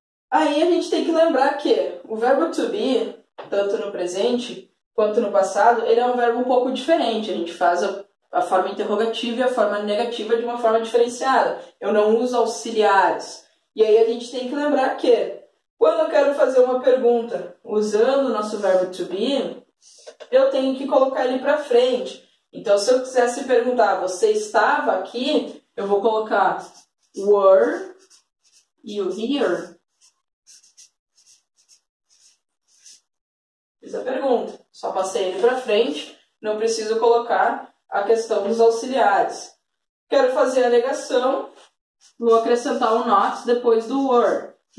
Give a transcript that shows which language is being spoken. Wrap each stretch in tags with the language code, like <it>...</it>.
<pt>Aí a gente tem que lembrar que o verbo to be, tanto no presente quanto no passado, ele é um verbo um pouco diferente. A gente faz a forma interrogativa e a forma negativa de uma forma diferenciada. Eu não uso auxiliares. E aí a gente tem que lembrar que quando eu quero fazer uma pergunta usando o nosso verbo to be, eu tenho que colocar ele para frente. Então, se eu quisesse perguntar, você estava aqui? Eu vou colocar</pt> <en>were you here?</en> <pt>A pergunta, só passei ele para frente, não preciso colocar a questão dos auxiliares. Quero fazer a negação, vou acrescentar o not depois do were.</pt>